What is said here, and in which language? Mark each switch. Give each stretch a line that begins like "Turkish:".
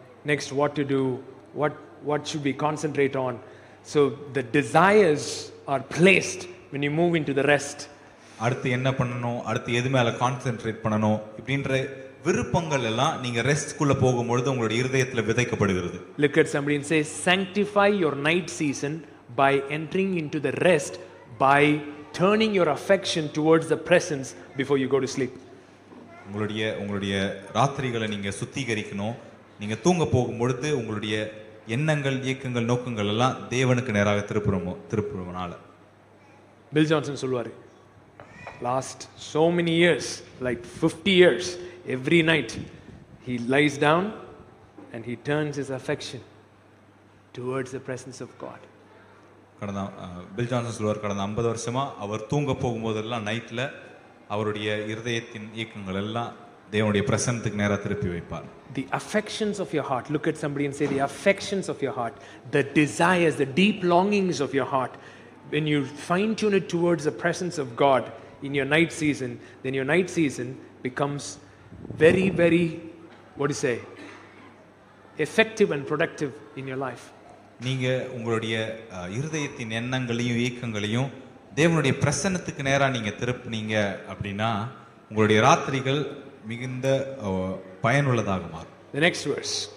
English: Next, what to do, what should we concentrate on. So the desires are placed when you move into the rest.
Tamil: அடுத்து என்ன பண்ணனும், அடுத்து எது மேல concentrate பண்ணனும் இப்படின்ற விருப்பங்கள் எல்லாம் நீங்க ரெஸ்ட்க்குள்ள போகும்பொழுது உங்களுடைய இதயத்துல விதைக்கப்படுகிறது.
English: Look at somebody and say, sanctify your night season by entering into the rest, by turning your affection towards the presence before you go to sleep.
Tamil: உங்களுடைய ராத்திரிகளை நீங்க சுத்திகரிக்கணும். நீங்க தூங்க போகும்பொழுது உங்களுடைய எண்ணங்கள் இயக்கங்கள் நோக்கங்கள் எல்லாம் தேவனுக்கு நேராக திருப்புறவனால.
English: Bill Johnson
Tamil: சொல்வாரு,
English: Last so many years like 50 years every night he lies down and he turns his affection towards the presence of God.
Tamil: கடந்த பில் ஜான்சன் சொல்வார், கடந்த 50 வருஷமாக அவர் தூங்க போகும்போதெல்லாம் நைட்டில் அவருடைய இருதயத்தின் இயக்கங்கள் எல்லாம் தேவனுடைய பிரசன்னத்துக்கு நேராக திருப்பி வைப்பார்.
English: The affections of your heart. Look at somebody and say, the affections of your heart, the desires, the deep longings of your heart, when you fine-tune it towards the presence of God in your night season, then your night season becomes very, very, what do you say, effective and productive in your life.
Tamil: நீங்க உங்களுடைய இருதயத்தின் எண்ணங்களையும் இயக்கங்களையும் தேவனுடைய பிரசன்னத்துக்கு நேராக நீங்க திருப்பினீங்க அப்படின்னா உங்களுடைய ராத்திரிகள் மிகுந்த பயனுள்ளதாக மாறும்.
English: The next verse.